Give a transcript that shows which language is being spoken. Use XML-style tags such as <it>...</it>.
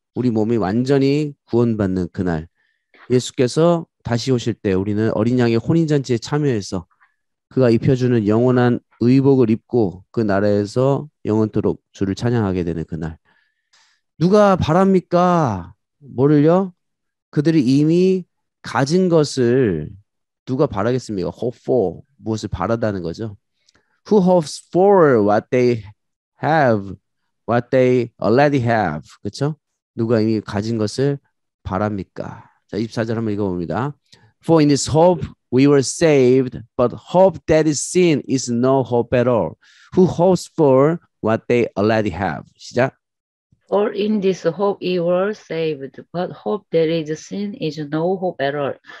<ko>우리 몸이 완전히 구원받는 그날. 예수께서 다시 오실 때 우리는 어린 양의 혼인잔치에 참여해서 그가 입혀주는 영원한 의복을 입고 그 나라에서 영원토록 주를 찬양하게 되는 그날. 누가 바랍니까? 뭐를요? 그들이 이미 가진 것을 누가 바라겠습니까?</ko> <en>Hope for.</en> <ko>무엇을 바라다는 거죠?</ko> <en>Who hopes for what they have, what they already have.</en> <ko>그렇죠? 누가 이미 가진 것을 바랍니까? 자, 24절 한번 읽어봅니다.</ko> <en>For in this hope we were saved, but hope that is seen is no hope at all. Who hopes for what they already have? 시작. For in this hope we were saved, but hope that is seen is no hope at all.</en>